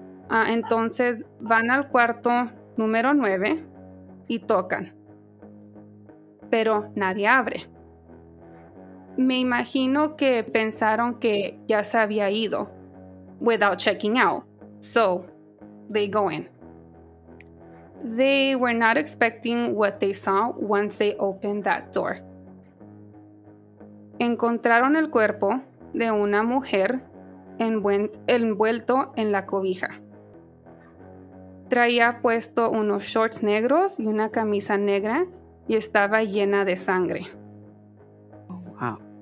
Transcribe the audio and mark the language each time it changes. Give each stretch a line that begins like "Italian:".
Spanish: Entonces van al cuarto número 9 y tocan. Pero nadie abre. Me imagino que pensaron que ya se había ido
English: without checking out. So, they go in. They were not expecting what they saw once they opened that door.
Spanish: Encontraron el cuerpo de una mujer envuelto en la cobija. Traía puesto unos shorts negros y una camisa negra y estaba llena de sangre.
English: Wow.